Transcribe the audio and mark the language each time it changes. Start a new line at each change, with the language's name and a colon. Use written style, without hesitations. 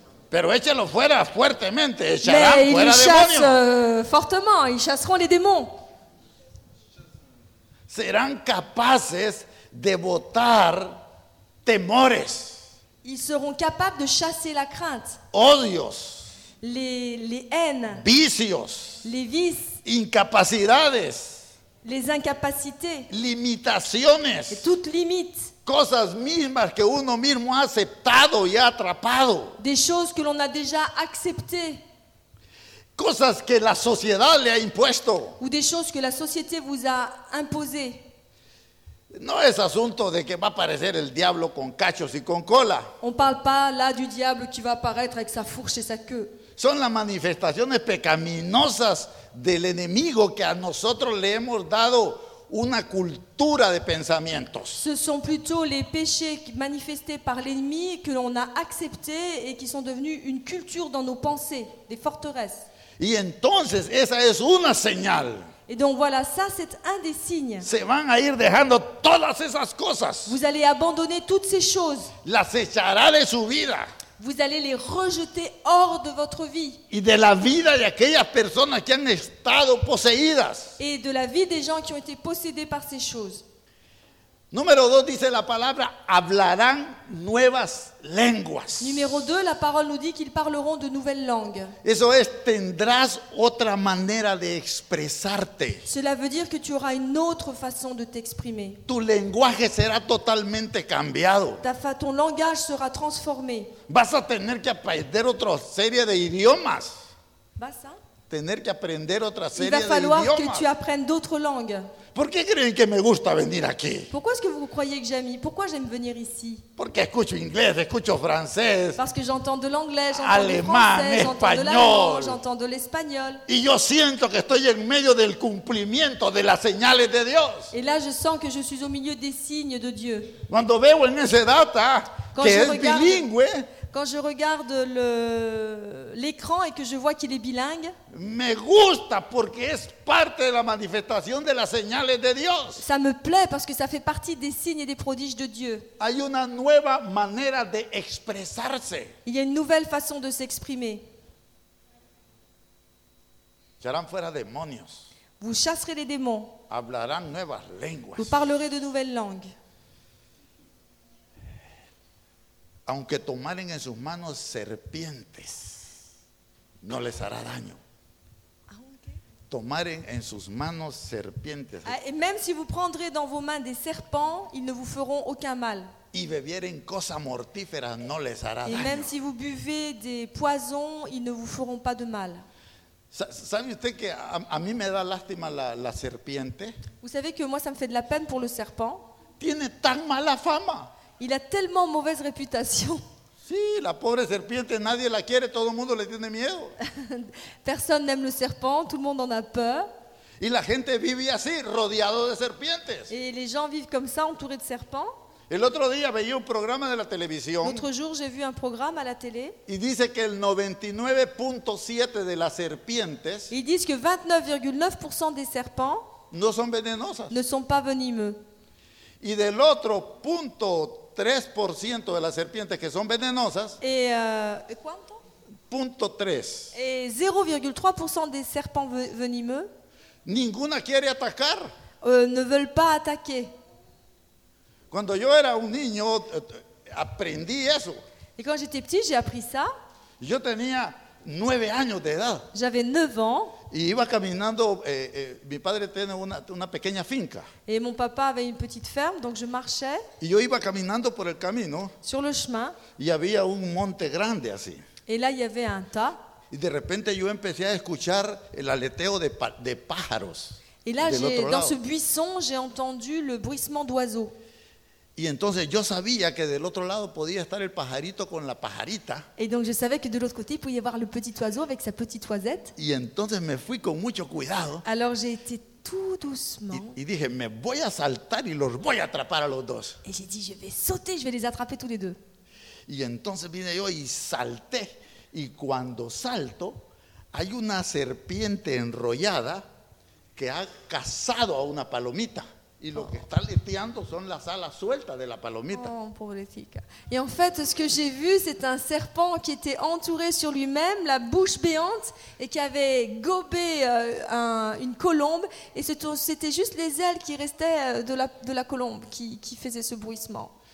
Spanish: Pero échalo fuera fuertemente, echarán fuera demonios.
French: Mais ils chassent fortement, ils chasseront les démons.
Spanish: Serán capaces de botar temores.
French: Ils seront capables de chasser la crainte.
Spanish: Odios.
French: Les haines.
Spanish: Vicios.
French: Les vices.
Spanish: Incapacidades.
French: Les incapacités.
Spanish: Limitaciones.
French: Et toutes limites.
Spanish: Cosas mismas que uno mismo ha aceptado y ha atrapado.
French: Des choses que l'on a déjà acceptées.
Spanish: Cosas que la sociedad le ha impuesto.
French: Ou des choses que la société vous a imposées.
Spanish: No es asunto de que va a aparecer el diablo con cachos y con cola.
French: On parle pas là du diable qui va apparaître avec sa fourche et sa queue.
Spanish: Son las manifestaciones pecaminosas del enemigo que a nosotros le hemos dado una cultura de pensamientos.
French: Ce sont plutôt les péchés manifestés par l'ennemi que l'on a accepté et qui sont devenus une culture dans nos pensées, des forteresses.
Spanish: Y entonces esa es una señal.
French: Et donc voilà, ça c'est un des signes.
Spanish: Se van a ir dejando todas esas cosas.
French: Vous allez abandonner toutes ces choses.
Spanish: Las echará de su vida.
French: Vous allez les rejeter hors de votre vie.
Spanish: Y de la vida de aquellas personas que han estado poseídas.
French: Et de la vie des gens qui ont été possédés par ces choses.
Spanish: Número dos dice la palabra, hablarán nuevas lenguas. Número dos,
French: la parole nous dit qu'ils parleront de nouvelles langues.
Spanish: Eso es, tendrás otra manera de expresarte.
French: Cela veut dire que tu auras une autre façon de t'exprimer.
Spanish: Tu lenguaje será totalmente cambiado.
French: Ton langage sera transformé.
Spanish: Vas a tener que aprender otra serie de idiomas.
French: Il va falloir que tu apprennes d'autres langues. Pourquoi
Spanish: creen que me gusta venir aquí?
French: Pourquoi est-ce que vous croyez que j'aime? Pourquoi j'aime venir ici?
Spanish: Porque escucho inglés, escucho francés.
French: Parce que j'entends de l'anglais, j'entends alemán, du français, j'entends de l'espagnol.
Spanish: Y yo siento que estoy en medio del cumplimiento de las señales de Dios.
French: Et là, je sens que je suis au milieu des signes de Dieu.
Spanish: Cuando veo en ese data que es bilingüe.
French: Quand je regarde l'écran et que je vois qu'il est bilingue,
Spanish: me gusta porque es parte de la manifestación de las señales de Dios.
French: Ça me plaît parce que ça fait partie des signes et des prodiges de Dieu.
Spanish: Hay una nueva manera de expresarse.
French: Il y a une nouvelle façon de s'exprimer.
Spanish: Echarán fuera demonios.
French: Vous chasserez les démons.
Spanish: Hablarán nuevas lenguas.
French: Vous parlerez de nouvelles langues.
Spanish: Aunque tomaren en sus manos serpientes, no les hará daño. Tomaren en sus manos serpientes.
French: Et même si vous prendrez dans vos mains des serpents, ils ne vous feront aucun mal.
Spanish: Y bebieren cosas mortíferas, no les hará daño.
French: Et même si vous buvez des poisons, ils ne vous feront pas de mal.
Spanish: ¿Sabe usted que a mí me da lástima la serpiente?
French: Vous savez que moi ça me fait de la peine pour le serpent.
Spanish: Tiene tan mala fama.
French: Il a tellement mauvaise réputation.
Spanish: Sí, la pobre serpiente, nadie la quiere, todo el mundo le tiene miedo.
French: Personne n'aime le serpent, tout le monde en a peur.
Spanish: Y la gente vive así, rodeado de serpientes.
French: Et les gens vivent comme ça, entourés de serpents.
Spanish: El otro día veía un programa de la televisión.
French: L'autre jour, j'ai vu un programme à la télé.
Spanish: Y dice que el 99.7 de las serpientes.
French: Ils disent que 29,9% des serpents.
Spanish: No son venenosas.
French: Ne sont pas venimeux.
Spanish: Y del otro punto 3% de las serpientes que son venenosas. Et cuánto? Punto 3.
French: Et 0,3% des serpents venimeux.
Spanish: Ninguna quiere atacar.
French: Ne veulent pas attaquer.
Spanish: Cuando yo era un niño aprendí eso.
French: Et quand j'étais petit, j'ai appris ça.
Spanish: Yo tenía 9 años de edad.
French: J'avais 9 ans.
Spanish: Y iba caminando, mi padre tiene una pequeña finca.
French: Et mon papa avait une petite ferme, donc je marchais.
Spanish: Y yo iba caminando por el camino.
French: Sur le chemin.
Spanish: Y había un monte grande así.
French: Et là, il y avait un tas.
Spanish: Y de repente yo empecé a escuchar el aleteo de pájaros.
French: Et là, dans ce buisson, j'ai entendu le bruissement d'oiseaux.
Spanish: Y entonces yo sabía que del otro lado podía estar el pajarito con la pajarita.
French: Et donc je savais que de l'autre côté il pouvait y avoir le petit oiseau avec sa petite oisette.
Spanish: Y entonces me fui con mucho cuidado.
French: Alors j'ai été tout doucement.
Spanish: Y dije, me voy a saltar y los voy a atrapar a los dos.
French: Et j'ai dit, je vais sauter, je vais les attraper tous les deux.
Spanish: Y entonces vine yo y salté. Y cuando salto, hay una serpiente enrollada que ha cazado a una palomita. Y lo que está aleteando son las alas sueltas de la palomita. Oh, pobrecita.
French: Y en fait, ce que j'ai vu, c'est un serpent qui était entouré sur lui-même, la bouche béante, et qui avait gobé une colombe. Et c'était juste les ailes qui restaient de la colombe qui faisaient ce bruissement.